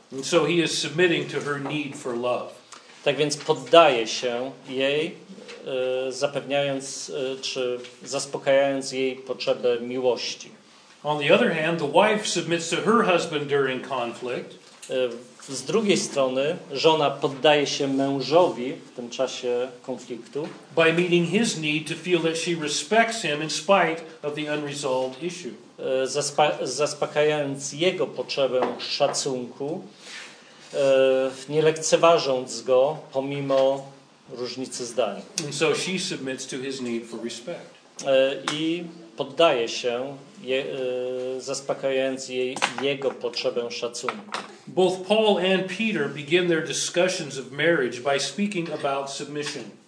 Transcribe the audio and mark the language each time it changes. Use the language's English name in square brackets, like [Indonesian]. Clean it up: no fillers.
[English] So he is submitting to her need for love. [Polish] Tak więc poddaje się jej, zapewniając czy zaspokajając jej potrzebę miłości. [English] On the other hand, the wife submits to her husband during conflict. [Polish] Z drugiej strony, żona poddaje się mężowi w tym czasie konfliktu. [English] By meeting his need to feel that she respects him in spite of the unresolved issue. [Polish] zaspokajając jego potrzebę szacunku, nie lekceważąc go pomimo różnicy zdań. [English] So she submits to his need for respect. [Polish] I poddaje się zaspokajając jego potrzebę szacunku. [English] Both Paul and Peter begin their discussions of marriage by speaking about submission.